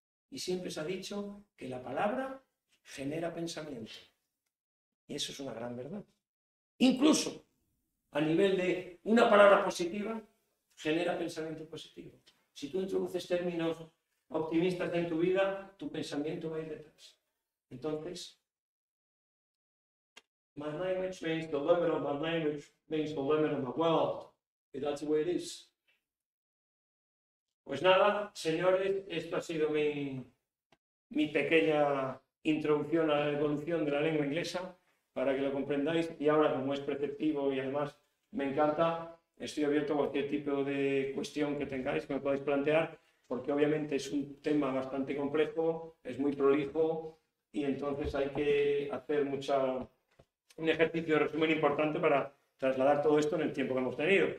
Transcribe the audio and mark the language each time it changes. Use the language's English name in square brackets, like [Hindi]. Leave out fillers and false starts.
[Spanish] Y siempre se ha dicho que la palabra genera pensamiento. Y eso es una gran verdad. Incluso a nivel de una palabra positiva, genera pensamiento positivo. Si tú introduces términos optimistas en tu vida, tu pensamiento va a ir detrás. Entonces, [English] my language means the limit of my language means the limit of my world. And that's the way it is. [Spanish] Pues nada, señores, esto ha sido mi pequeña introducción a la evolución de la lengua inglesa, para que lo comprendáis. Y ahora, como es preceptivo y además me encanta, estoy abierto a cualquier tipo de cuestión que tengáis, que me podáis plantear, porque obviamente es un tema bastante complejo, es muy prolijo, y entonces hay que hacer un ejercicio de resumen importante para trasladar todo esto en el tiempo que hemos tenido.